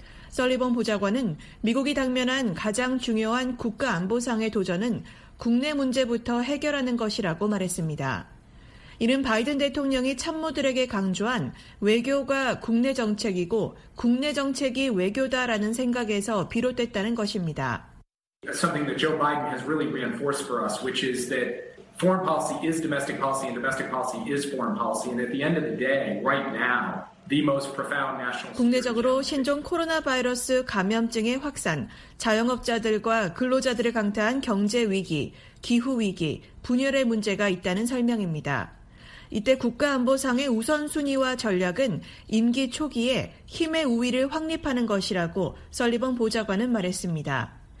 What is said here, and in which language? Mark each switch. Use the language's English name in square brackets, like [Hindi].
[Korean] 설리번 보좌관은 미국이 당면한 가장 중요한 국가안보상의 도전은 국내 문제부터 해결하는 것이라고 말했습니다. 이는 바이든 대통령이 참모들에게 강조한 외교가 국내 정책이고 국내 정책이 외교다라는 생각에서 비롯됐다는 것입니다. [English] Something that Joe Biden has really reinforced for us, which is that foreign policy is domestic policy and domestic policy is foreign policy. And at the end of the day, right now, the most profound national. [Korean] 국내적으로 신종 코로나 바이러스 감염증의 확산, 자영업자들과 근로자들을 강타한 경제 위기, 기후 위기, 분열의 문제가 있다는 설명입니다. 이때 국가안보상의 우선순위와 전략은 임기 초기에 힘의 우위를 확립하는 것이라고 설리번 보좌관은 말했습니다.